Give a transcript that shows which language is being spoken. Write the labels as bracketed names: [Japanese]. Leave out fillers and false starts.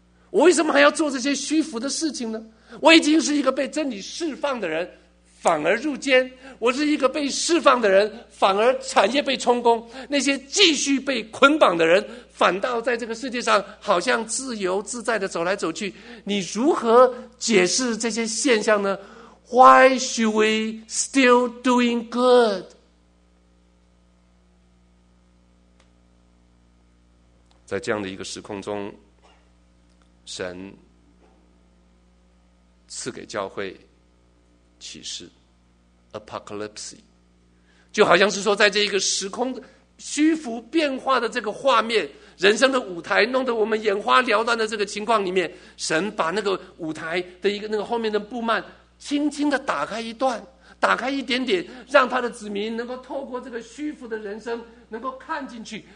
[Chinese] 我为什么还要做这些虚浮的事情呢？我已经是一个被真理释放的人，反而入监；我是一个被释放的人，反而产业被充公。那些继续被捆绑的人，反倒在这个世界上好像自由自在的走来走去。你如何解释这些现象呢？ [English] Why should we still doing good? [Chinese] 在这样的一个时空中，神赐给教会启示 Apocalypse， 就好像是说在这一个时空虚浮变化的这个画面，人生的舞台弄得我们眼花缭乱的这个情况里面，神把那个舞台的一个那个后面的布幔轻轻的打开一段，打开一点点，让他的子民能够透过这个虚浮的人生能够看进去。